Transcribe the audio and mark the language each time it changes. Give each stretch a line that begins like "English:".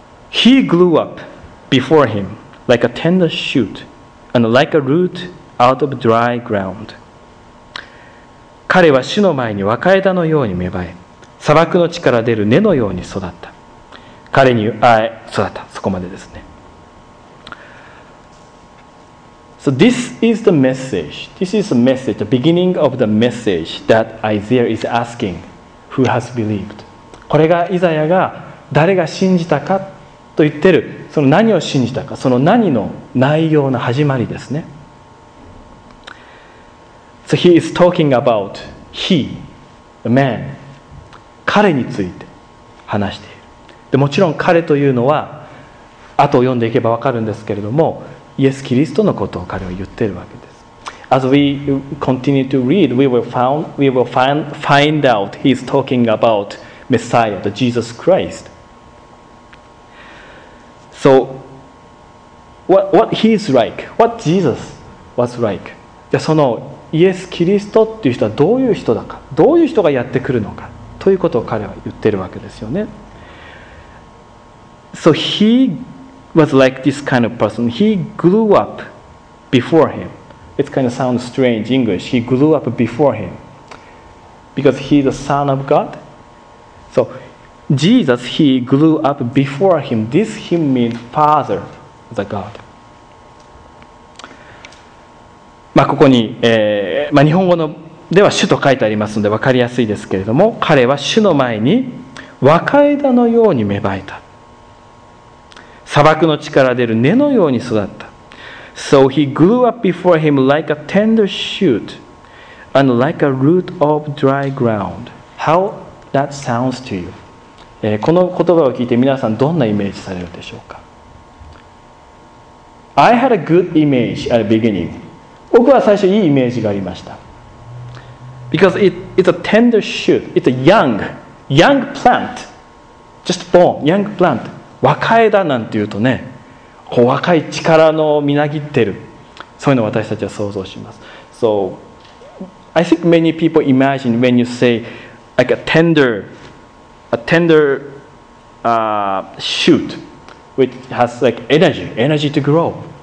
English: He grew up before him like a tender shoot and like a root out of dry ground.
Japanese: 彼は主の前に若枝のように芽生え、砂漠の地から出る根のように育った。彼に、育った。そこまでですね。
English: So this is the message. This is the message, the beginning of the message that Isaiah is asking, who has believed.
Japanese: これがイザヤが誰が信じたかと言ってる、その何を信じたか、その何の内容の始まりですね。
English: So he is talking about he, the man,
Japanese: 彼について話している。で、もちろん彼というのは、後を読んでいけば分かるんですけれども、イエス・キリストのことを彼は言っているわけです。
English: As we continue to read, we will find out he is talking about Messiah, the Jesus Christ. So, what he is like? What Jesus was like?
Japanese: じゃあそのイエス・キリストっていう人はどういう人だか、どういう人がやってくるのかということを彼は言ってるわけですよね。
English: So he was like this kind of person. He grew up before him. It kind of sounds strange English. He grew up before him because he's the son of God. So Jesus, he grew up before him. This him means father, the God.
Japanese: まあ、ここに、まあ、日本語のでは主と書いてありますので分かりやすいですけれども、彼は主の前に若枝のように芽生えた、砂漠の地から出る根のように育った。
English: So he grew up before him like a tender shoot and like a root of dry ground. How that sounds to you?、
Japanese: この言葉を聞いて皆さんどんなイメージされるでしょうか。
English: I had a good image at the beginning.
Japanese: 僕は最初いいイメージがありました。
English: Because it's a tender shoot. It's a young plant. Just born, young plant.
Japanese: 若枝なんていうとね、こう若い力のみなぎってる。そういうのを私たちは想像します。
English: So, I think many people imagine when you say like a tender shoot, which has like energy to grow.